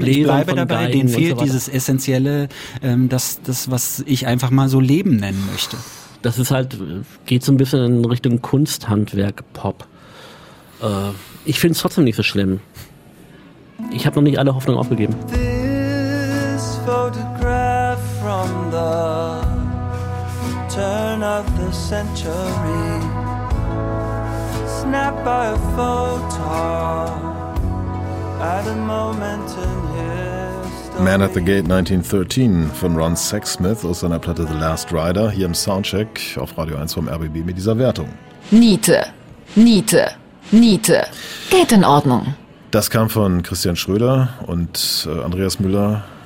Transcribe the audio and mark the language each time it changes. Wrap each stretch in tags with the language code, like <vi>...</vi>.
<de>ich bleibe dabei, den fehlt dieses Essentielle, das, was ich einfach mal so Leben nennen möchte. Das ist halt, geht so ein bisschen in Richtung Kunsthandwerk-Pop. ich finde es trotzdem nicht so schlimm. Ich habe noch nicht alle Hoffnung aufgegeben.</de> <en>This photograph from the turn of the century. Snap by a photo at a moment in history.</en> <de>Man at the Gate 1913 von Ron Sexsmith aus seiner Platte The Last Rider hier im Soundcheck auf Radio 1 vom RBB mit dieser Wertung. Niete, Niete, Niete. Geht in Ordnung. Das kam von Christian Schröder und Andreas Müller.</de>